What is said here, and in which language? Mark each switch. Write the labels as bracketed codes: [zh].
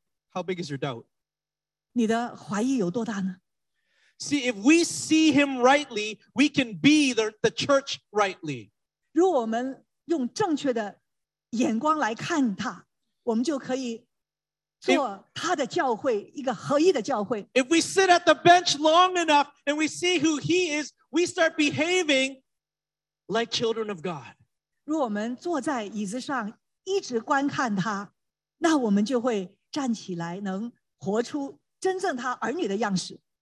[en] How big is your doubt? [zh] 你的怀疑有多大呢? [en] See, if we see him rightly, we can be the church rightly. [zh] 如果我们用正确的眼光来看他, 我们就可以 做他的教会, [en] if we sit at the bench long enough and we see who he is, we start behaving like children of God. [zh] 如果我们坐在椅子上一直观看他, 那我们就会站起来能活出真正他儿女的样式.